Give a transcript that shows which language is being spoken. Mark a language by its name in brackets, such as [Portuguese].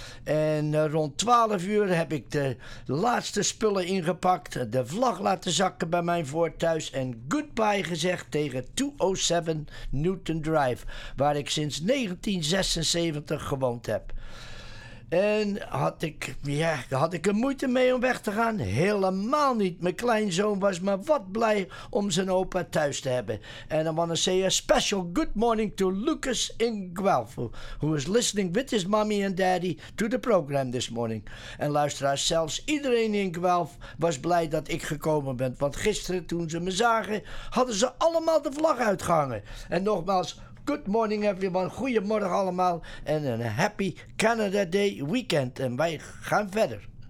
[Dutch] En rond 12 uur heb ik de laatste spullen ingepakt, de vlag laten zakken bij mijn voorthuis en goodbye gezegd tegen 207 Newton Drive, waar ik sinds 1976 gewoond heb. En had ik er moeite mee om weg te gaan? Helemaal niet. Mijn kleinzoon was maar wat blij om zijn opa thuis te hebben. [English] And I want to say a special good morning to Lucas in Guelph, who is listening with his mommy and daddy to the program this morning. [Dutch] En luisteraars, zelfs iedereen in Guelph was blij dat ik gekomen ben. Want gisteren toen ze me zagen, hadden ze allemaal de vlag uitgehangen. En nogmaals, [English] good morning everyone, [Dutch] goedemorgen allemaal en een [English] happy Canada Day weekend [Dutch] en wij gaan verder.